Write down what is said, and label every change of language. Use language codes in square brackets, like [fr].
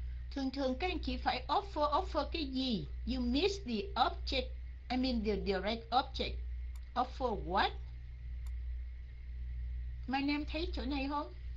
[vi] Thường thường các anh chị phải offer, offer cái gì? [en] You miss the object, I mean the direct object. Offer what? My name [vi] thấy chỗ này không?